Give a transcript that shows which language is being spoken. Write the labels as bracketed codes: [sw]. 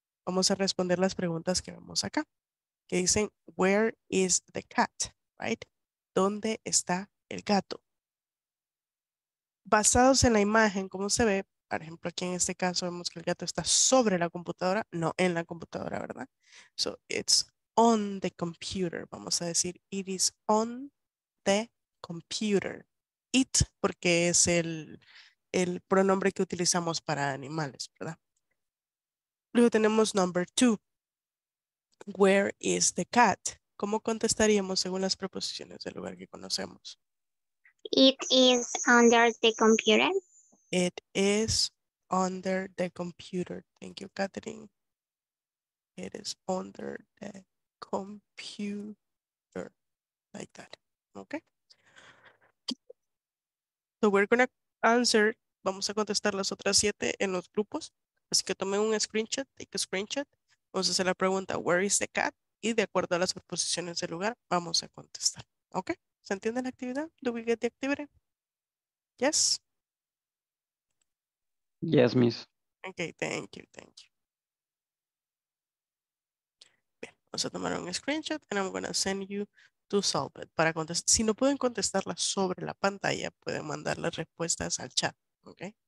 [es] vamos a responder las preguntas que vemos acá, que dicen, [en] where is the cat, right? [es] ¿Dónde está el gato? Basados en la imagen, ¿cómo se ve? Por ejemplo, aquí en este caso vemos que el gato está sobre la computadora, no en la computadora, ¿verdad? [en] So, it's on the computer, [es] vamos a decir, [en] it is on the computer. [es] It, porque es el pronombre que utilizamos para animales, ¿verdad? [en] Luego tenemos number two. Where is the cat? [es] ¿Cómo contestaríamos según las preposiciones del lugar que conocemos? [en] It is under the computer. It is under the computer. Thank you, Catherine. It is under the computer. Like that. Okay. So we're going to answer. [es] Vamos a contestar las otras siete en los grupos. Así que tomen un screenshot, [en] take a screenshot. [es] Vamos a hacer la pregunta, [en] where is the cat? [es] Y de acuerdo a las preposiciones del lugar, vamos a contestar. ¿Ok? ¿Se entiende la actividad? [en] Do we get the activity? Yes? Yes, miss. Ok, thank you, thank you. [es] Bien, vamos a tomar un screenshot [en] and I'm going to send you to solve it. [es] Para contestar. Si no pueden contestarla sobre la pantalla, pueden mandar las respuestas al chat. ¿Ok?